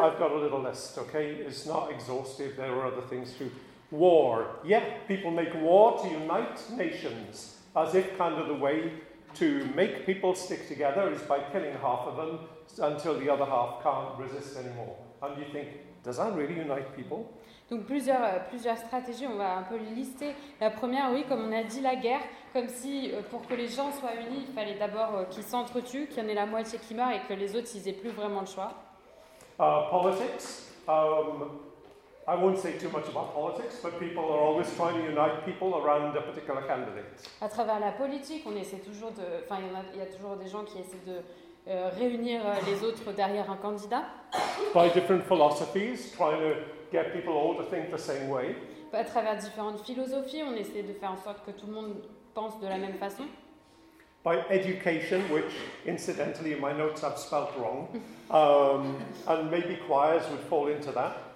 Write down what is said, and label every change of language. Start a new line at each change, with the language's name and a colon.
English: I've got a little list, okay? It's not exhaustive. There are other things too. War. Yeah, people make war to unite nations, as if kind of the way to make people stick together is by killing half of them until the other half can't resist anymore. And you think, does that really unite people?
French: Donc plusieurs stratégies, on va un peu les lister. La première, oui, comme on a dit, la guerre, comme si pour que les gens soient unis, il fallait d'abord qu'ils s'entretuent, qu'il y en ait la moitié qui meurt et que les autres, ils n'aient plus vraiment le choix.
English: Politics. I won't say too much about politics, but people are always trying to unite people around a particular candidate.
French: À travers la politique, on essaie toujours de... Enfin, il y a toujours des gens qui essaient de réunir les autres derrière un candidat.
English: By different philosophies, trying to get people all to think the same way.
French: À travers différentes philosophies, on essaie de faire en sorte que tout le monde pense de la même façon.
English: By education, which incidentally in my notes I've spelled wrong, and maybe choirs would fall into that.